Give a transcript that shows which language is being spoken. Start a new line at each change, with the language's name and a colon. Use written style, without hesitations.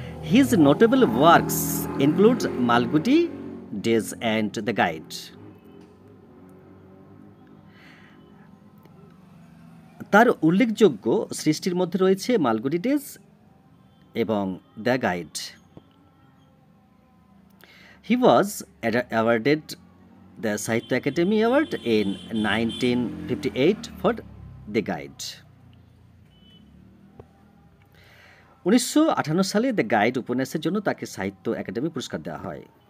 English: His notable works include Malgudi Days and the Guide.
Bangla: তার উল্লেখযোগ্য সৃষ্টির মধ্যে রয়েছে মালগুডি ডেজ এবং the guide.
English: He was awarded the Sahitya Academy Award in 1958 for The Guide.
Bangla: 1958 সালে The Guide উপন্যাসের জন্য তাকে সাহিত্য একাডেমি পুরস্কার দেওয়া হয়।